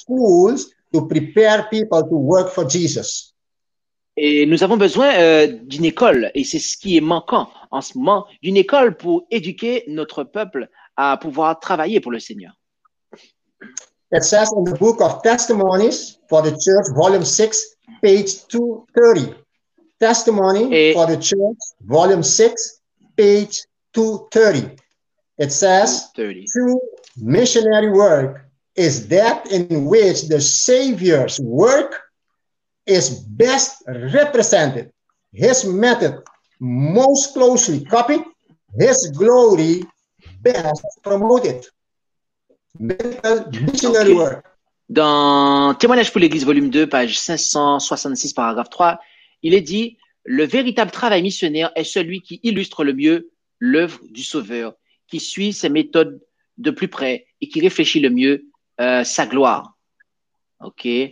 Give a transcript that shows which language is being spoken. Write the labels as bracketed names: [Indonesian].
[English] Schools to prepare people to work for Jesus. [French] Et nous avons besoin d'une école, et c'est ce qui est manquant en ce moment, d'une école pour éduquer notre peuple à pouvoir travailler pour le Seigneur. [English] It says in the book of Testimonies for the Church, volume 6, page 230. Testimony for the Church, volume 6, page 230. It says, 230. True missionary work is that in which the Savior's work is best represented, his method most closely copied, his glory best promoted. Missionary work. [French] Dans Témoignage pour l'Église, volume 2, page 566, paragraphe 3, il est dit, le véritable travail missionnaire est celui qui illustre le mieux l'œuvre du Sauveur, qui suit ses méthodes de plus près et qui réfléchit le mieux sa gloire. OK.